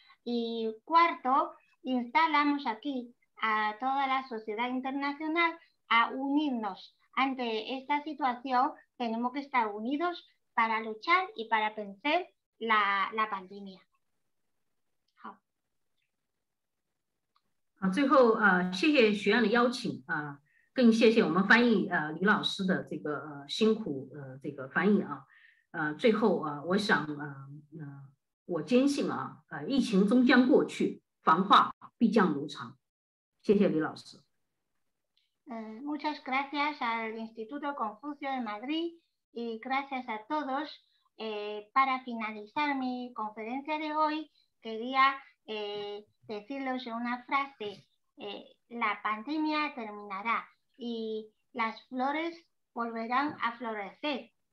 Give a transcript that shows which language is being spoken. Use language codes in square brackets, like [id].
[es] Y cuarto, instalamos aquí a toda la sociedad internacional a unirnos. Ante esta situación, tenemos que estar unidos para luchar y para vencer la pandemia. [zh] 好，最后谢谢学院的邀请，更谢谢我们翻译李老师的这个辛苦这个翻译。最后，我想，我坚信，疫情终将过去，繁华必将如常。谢谢李老师。 [es] Muchas gracias al Instituto Confucio de Madrid y gracias a todos. Para finalizar mi conferencia de hoy, quería decirles una frase, la pandemia terminará y las flores volverán a florecer.